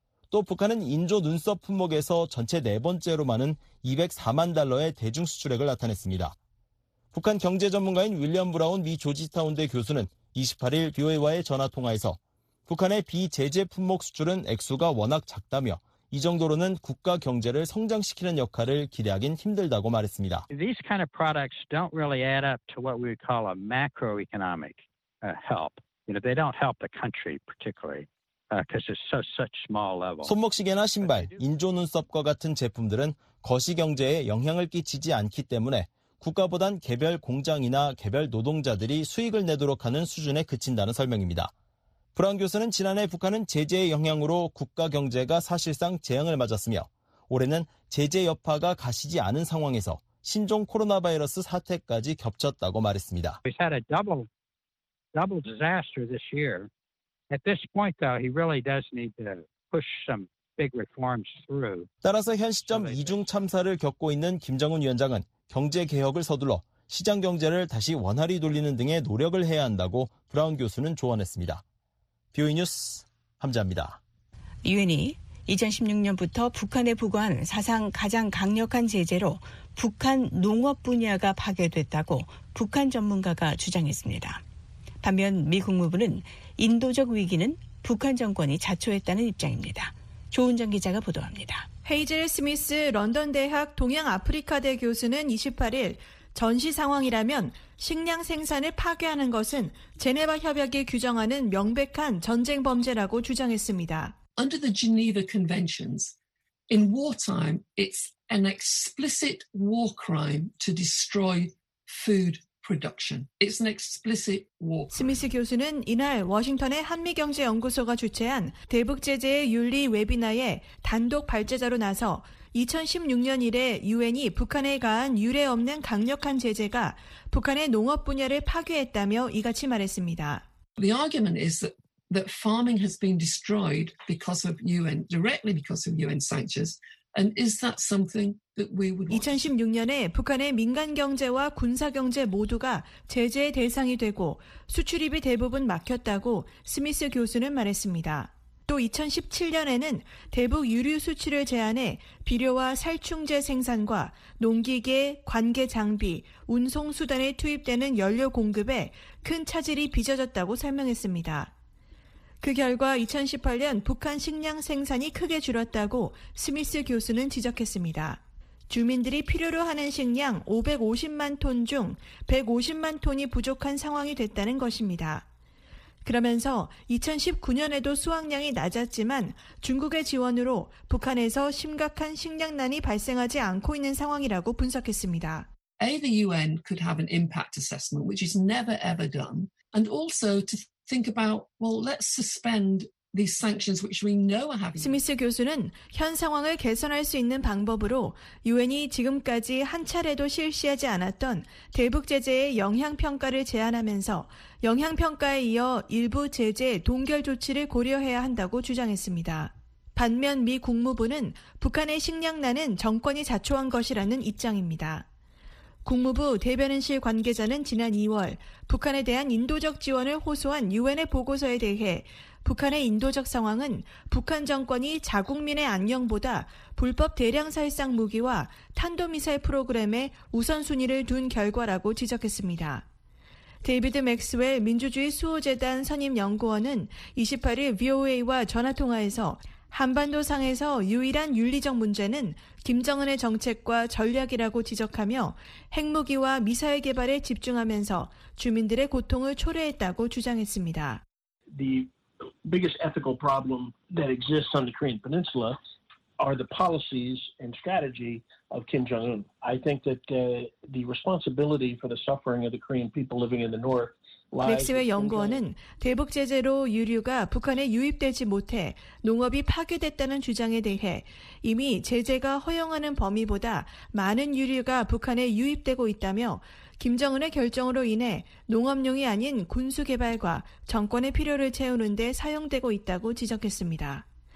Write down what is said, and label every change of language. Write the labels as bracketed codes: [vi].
[ko] 또 북한은 인조 눈썹 품목에서 전체 네 번째로 많은 204만 달러의 대중 수출액을 나타냈습니다. 북한 경제 전문가인 윌리엄 브라운 미 조지타운대 교수는 28일 BOA와의 전화통화에서 북한의 비제재 품목 수출은 액수가 워낙 작다며 이 정도로는 국가 경제를 성장시키는 역할을 기대하긴 힘들다고 말했습니다. [en] These kind of products don't really add up to what we would call a macroeconomic help. You know, they don't help the country particularly because it's such small level. [ko] 손목 시계나 신발, 인조 눈썹과 같은 제품들은 거시 경제에 영향을 끼치지 않기 때문에 국가보단 개별 공장이나 개별 노동자들이 수익을 내도록 하는 수준에 그친다는 설명입니다. 브라운 교수는 지난해 북한은 제재의 영향으로 국가 경제가 사실상 재앙을 맞았으며 올해는 제재 여파가 가시지 않은 상황에서 신종 코로나 바이러스 사태까지 겹쳤다고 말했습니다. [en] We've had a double disaster this year. At this point though, he really does need to push some big reforms through. [ko] 따라서 현 시점 이중 참사를 겪고 있는 김정은 위원장은 경제 개혁을 서둘러 시장 경제를 다시 원활히 돌리는 등의 노력을 해야 한다고 브라운 교수는 조언했습니다. 뷰이 뉴스 함재합니다. 유엔이 2016년부터 북한에 부과한 사상 가장 강력한 제재로 북한 농업 분야가 파괴됐다고 북한 전문가가 주장했습니다. 반면 미 국무부는 인도적 위기는 북한 정권이 자초했다는 입장입니다. 조은정 기자가 보도합니다. 헤이젤 스미스 런던 대학 동양아프리카대 교수는 28일 전시 상황이라면 식량 생산을 파괴하는 것은 제네바 협약이 규정하는 명백한 전쟁 범죄라고 주장했습니다. [en] Under the Geneva Conventions, in wartime, it's an explicit war crime to destroy food production. It's an explicit war crime. [ko] 스미스 교수는 이날 워싱턴의 한미경제연구소가 주최한 대북 제재의 윤리 웨비나에 단독 발제자로 나서 2016년 이래 유엔이 북한에 가한 유례 없는 강력한 제재가 북한의 농업 분야를 파괴했다며 이같이 말했습니다. [en] The argument is that farming has been destroyed because of UN, directly because of UN sanctions. And is that something that we would want? [ko] 2016년에 북한의 민간 경제와 군사 경제 모두가 제재의 대상이 되고 수출입이 대부분 막혔다고 스미스 교수는 말했습니다. 또 2017년에는 대북 유류 수출을 제한해 비료와 살충제 생산과 농기계, 관계 장비, 운송 수단에 투입되는 연료 공급에 큰 차질이 빚어졌다고 설명했습니다. 그 결과 2018년 북한 식량 생산이 크게 줄었다고 스미스 교수는 지적했습니다. 주민들이 필요로 하는 식량 550만 톤 중 150만 톤이 부족한 상황이 됐다는 것입니다. 그러면서 2019년에도 수확량이 낮았지만 중국의 지원으로 북한에서 심각한 식량난이 발생하지 않고 있는 상황이라고 분석했습니다. [en] A, the UN could have an impact assessment, which is never ever done. And also to think about, well, let's suspend these sanctions which we know are happening. [ko] 스미스 교수는 현 상황을 개선할 수 있는 방법으로 유엔이 지금까지 한 차례도 실시하지 않았던 대북 제재의 영향 평가를 제안하면서 영향 평가에 이어 일부 제재 동결 조치를 고려해야 한다고 주장했습니다. 반면 미 국무부는 북한의 식량난은 정권이 자초한 것이라는 입장입니다. 국무부 대변인실 관계자는 지난 2월 북한에 대한 인도적 지원을 호소한 유엔의 보고서에 대해 북한의 인도적 상황은 북한 정권이 자국민의 안녕보다 불법 대량 살상 무기와 탄도미사일 프로그램에 우선순위를 둔 결과라고 지적했습니다. 데이비드 맥스웰 민주주의 수호재단 선임연구원은 28일 VOA와 전화통화에서 한반도상에서 유일한 윤리적 문제는 김정은의 정책과 전략이라고 지적하며 핵무기와 미사일 개발에 집중하면서 주민들의 고통을 초래했다고 주장했습니다. [en] The biggest ethical problem that exists on the Korean Peninsula are the policies and strategy of Kim Jong-un. I think that the responsibility for the suffering of the Korean people living in the north [ko] 맥스웰 연구원은 대북 제재로 유류가 북한에 유입되지 못해 농업이 파괴됐다는 주장에 대해 이미 제재가 허용하는 범위보다 많은 유류가 북한에 유입되고 있다며 김정은의 결정으로 인해 농업용이 아닌 군수 개발과 정권의 필요를 채우는 데 사용되고 있다고 지적했습니다.